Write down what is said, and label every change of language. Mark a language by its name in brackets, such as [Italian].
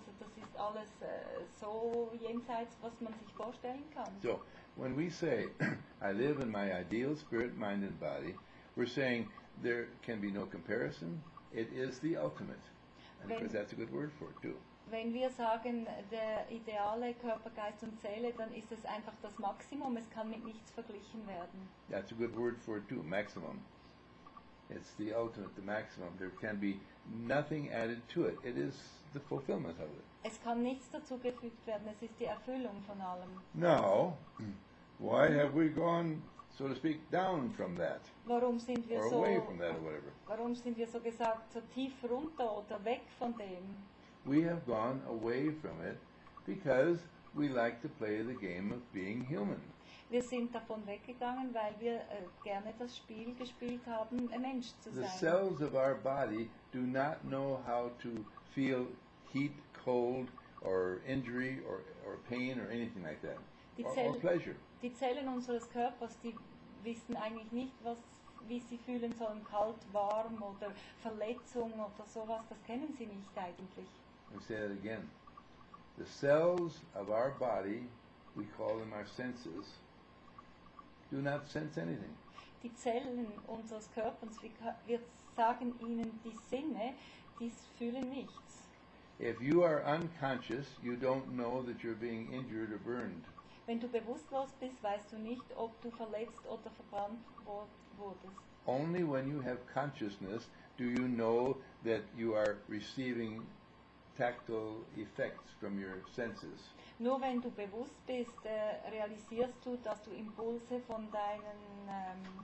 [German] Also das ist alles so jenseits, was man sich vorstellen kann. [English] So, when we say, I live in my ideal spirit, mind and body, we're saying, there can be no comparison, it is the ultimate. And because that's a good word for it, too. [German] Wenn wir sagen, der ideale Körper, Geist und Seele, dann ist es einfach das Maximum, es kann mit nichts verglichen werden. [English] That's a good word for it too, maximum. It's the ultimate, the maximum. There can be nothing added to it. It is the fulfillment of it. [German] Es kann nichts dazugefügt werden, es ist die Erfüllung von allem. [English] Now, why have we gone, so to speak, down from that? [German] Warum sind wir [English] or so away from that or whatever? [German] Warum sind wir so gesagt, so tief runter oder weg von dem? [English] We have gone away from it because we like to play the game of being human. [German] Wir sind davon weggegangen, weil wir gerne das Spiel gespielt haben, ein Mensch zu sein. [English] The cells of our body do not know how to feel heat, cold, or injury, or pain, or anything like that, or pleasure. [German] Die Zellen unseres Körpers, die wissen eigentlich nicht, wie sie fühlen sollen, kalt, warm, oder Verletzung, oder sowas, das kennen sie nicht eigentlich. [English] Let me say that again. The cells of our body, we call them our senses, do not sense anything. [German] Die Zellen unseres Körpers, wir sagen ihnen die Sinne, die fühlen nichts. [English] If you are unconscious, you don't know that you're being injured or burned. [German] Wenn du bewusstlos bist, weißt du nicht, ob du verletzt oder verbrannt wurdest. [English] Only when you have consciousness do you know that you are receiving tactile effects from your senses. [German] Nur wenn du bewusst bist, realisierst du, dass du Impulse von deinen